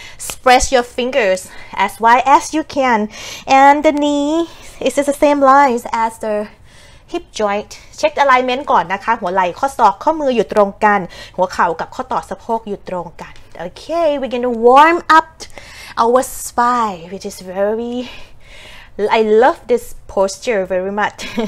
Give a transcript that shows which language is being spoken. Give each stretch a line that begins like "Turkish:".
English: Spread your fingers as wide as you can, and the knee is the same lines as the hip joint. Check the alignment
Thai: ก่อนนะคะหัวไหล่ข้อศอกข้อมืออยู่ตรงกันหัวเข่ากับข้อต่อสะโพกอยู่ตรงกัน
English: okay, we're gonna warm up our spine, which is very, I love this posture very much.